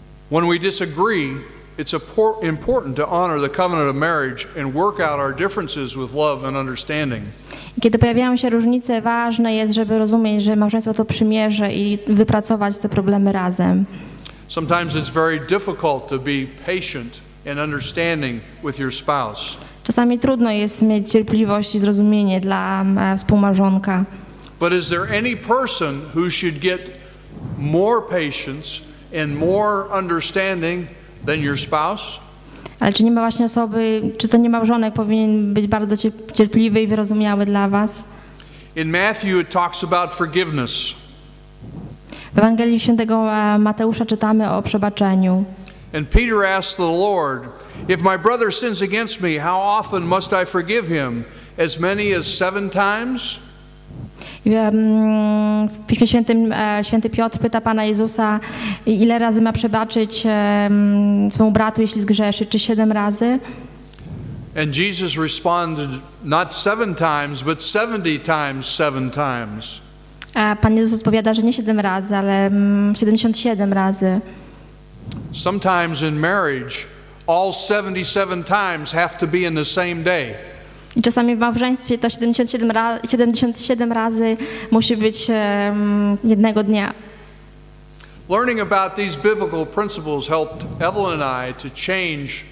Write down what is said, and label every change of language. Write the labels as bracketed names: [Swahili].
[English] When we disagree, it's important to honor the covenant of marriage and work out our differences with love and understanding. [Polish] Kiedy pojawiają się różnice, ważne jest, żeby rozumieć, że małżeństwo to przymierze i wypracować te problemy razem. [English] Sometimes it's very difficult to be patient and understanding with your spouse. [Polish] Czasami trudno jest mieć cierpliwość i zrozumienie dla współmałżonka. [English] But is there any person who should get more patience and more understanding than your spouse? [Polish] Ale czy nie ma właśnie osoby, czy to nie małżonek powinien być bardzo cierpliwy i wyrozumiały dla was? [English] In Matthew it talks about forgiveness. [Polish] W Ewangelii Świętego Mateusza czytamy o przebaczeniu. [English] And Peter asked the Lord, if my brother sins against me, how often must I forgive him? As many as 7 times? [Polish] W Piśmie Świętym Święty Piotr pyta Pana Jezusa, ile razy ma przebaczyć swojemu bratu, jeśli zgrzeszy, czy 7 razy? [English] And Jesus responded not 7 times, but 70 times 7 times. [Polish] A Pan Jezus odpowiada, że nie 7 razy, ale 77 razy. [English] Sometimes in marriage all 77 times have to be in the same day. [Polish] I czasami w małżeństwie to 77 razy musi być jednego dnia. [English] Learning about these biblical principles helped Evelyn and I to change